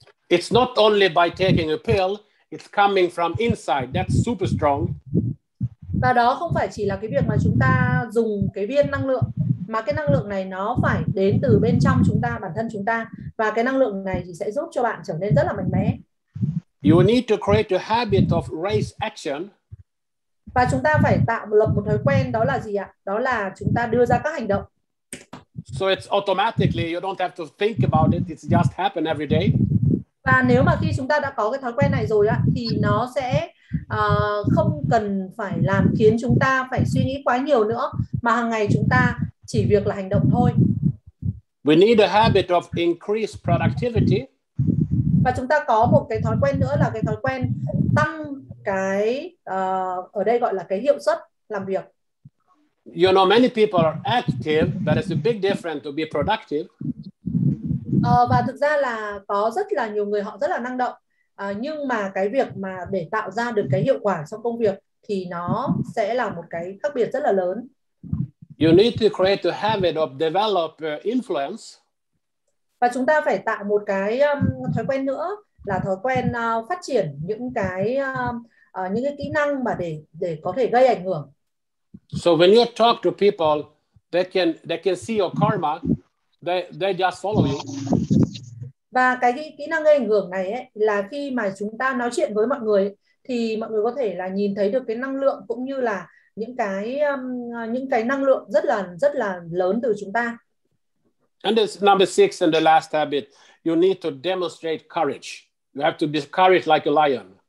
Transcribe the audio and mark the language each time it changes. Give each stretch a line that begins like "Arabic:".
English: It's not only by taking a pill, it's coming from inside. That's super strong.
Vietnamese: Và đó không phải chỉ là cái việc mà chúng ta dùng cái viên năng lượng, mà cái năng lượng này nó phải đến từ bên trong chúng ta, bản thân chúng ta. Và cái năng lượng này thì sẽ giúp cho bạn trở nên rất là mạnh mẽ.
English: You need to create a habit of race action.
Vietnamese: Và chúng ta phải tạo lập một thói quen, đó là gì ạ? Đó là chúng ta đưa ra các hành động.
English: So it's automatically, you don't have to think about it, it's just happen every day.
Vietnamese: Và nếu mà khi chúng ta đã có cái thói quen này rồi ạ, thì nó sẽ không cần phải làm khiến chúng ta phải suy nghĩ quá nhiều nữa, mà hàng ngày chúng ta chỉ việc là hành động thôi.
English: We need a habit of increased productivity.
Vietnamese: Và chúng ta có một cái thói quen nữa là cái thói quen tăng cái ở đây gọi là cái hiệu suất làm việc.
English: You know, many people are active, but it's a big difference to be productive.
Vietnamese: Và thực ra là có rất là nhiều người họ rất là năng động, nhưng mà cái việc mà để tạo ra được cái hiệu quả trong công việc thì nó sẽ là một cái khác biệt rất là lớn.
English: You need to create a habit of develop influence.
Vietnamese: Và chúng ta phải tạo một cái thói quen nữa là thói quen phát triển những cái kỹ năng mà để có thể gây ảnh hưởng.
English: So when you talk to people, they can see your karma. They just follow you.
Vietnamese: Và cái kỹ năng gây ảnh hưởng này ấy, là khi mà chúng ta nói chuyện với mọi người thì mọi người có thể là nhìn thấy được cái năng lượng cũng như là những cái năng lượng rất là lớn từ chúng ta.
English: And this number 6 and the last habit, you need to demonstrate courage. You have to be courage like a lion.